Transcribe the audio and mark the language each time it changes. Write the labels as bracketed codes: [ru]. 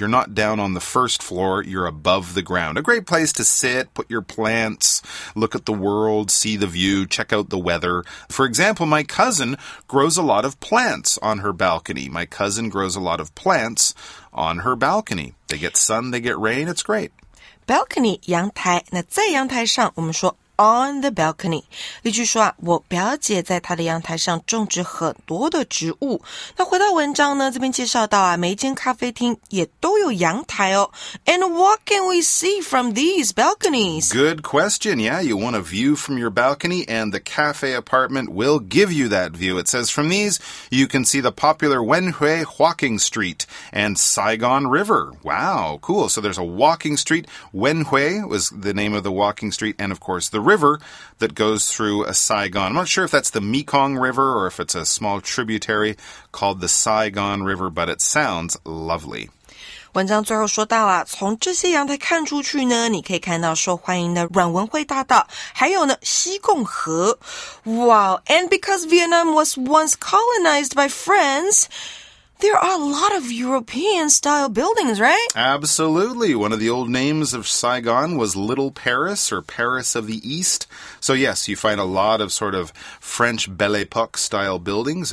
[en] You're not down on the first floor. You're above the ground. A great place to sit, put your plants, look at the world, see the view, check out the weather. For example, my cousin grows a lot of plants on her balcony. My cousin grows a lot of plants on her balcony. They get sun, they get rain, it's great. [zh] Balcony, 阳台。那在阳台上我们说 [en] on the balcony. [zh] 例句说啊，我表姐在她的阳台上种植很多的植物。那回到文章呢，这边介绍到啊，每一间咖啡厅也都有阳台哦。 [en] And what can we see from these balconies? Good question. Yeah, you want a view from your balcony, and the cafe apartment will give you that view. It says from these, you can see the popular Wen Hui Walking Street and Saigon River. Wow, cool. So there's a walking street. Wen Hui was the name of the walking street, and of course, the river that goes through a Saigon. I'm not sure if that's the Mekong River or if it's a small tributary called the Saigon River, but it sounds lovely. [zh] 文章最后说到啊，从这些阳台看出去呢，你可以看到受欢迎的阮文会大道，还有呢西贡河。 [en] Wow, and because Vietnam was once colonized by France... There are a lot of European-style buildings, right? Absolutely. One of the old names of Saigon was Little Paris or Paris of the East. So yes, you find a lot of sort of French Belle Époque-style buildings.